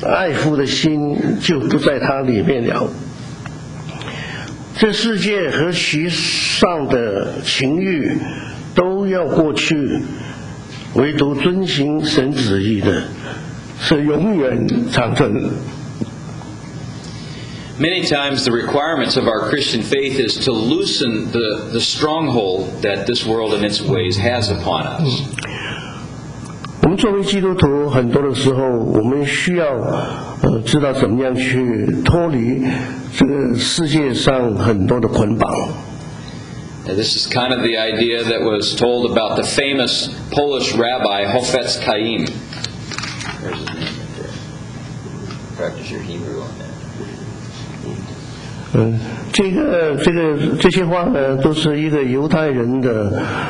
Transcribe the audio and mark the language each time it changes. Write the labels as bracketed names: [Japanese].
[Chinese] 在约翰一书第二章15跟17节这样讲，不要爱世界和世界上的事，人若爱世界，爱父的心就不在他里面了。 [English] Many times the requirements of our Christian faith is to loosen the stronghold that this world and its ways has upon us. [Chinese] 我们作为基督徒，很多的时候，我们需要知道怎么样去脱离这个世界上很多的捆绑。 [English] This is kind of the idea that was told about the famous Polish rabbi Hofetz Chaim. There's his name right there. Practice your Hebrew on that. [Chinese] 这些话呢，都是一个犹太人的。